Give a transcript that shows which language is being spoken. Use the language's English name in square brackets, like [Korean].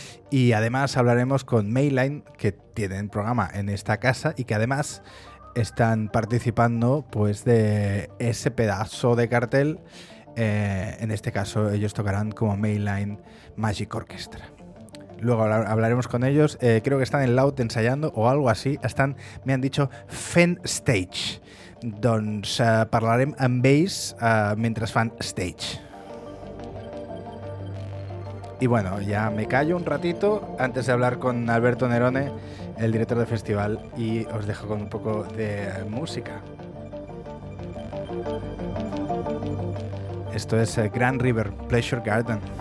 [Spanish] Y además hablaremos con Mainline, que tienen programa en esta casa y que además están participando pues de ese pedazo de cartel. En este caso ellos tocarán como Mainline Magic Orchestra. Luego hablaremos con ellos. Creo que están en Laut ensayando o algo así. Están, me han dicho, [Catalan] fent [Spanish] stage. [Catalan] Doncs parlarem amb ells [Spanish] mientras [Catalan] fan stage. [Spanish] Y bueno, ya me callo un ratito antes de hablar con Alberto Nerone, el director del festival, y os dejo con un poco de música. Esto es Grand River Pleasure Garden.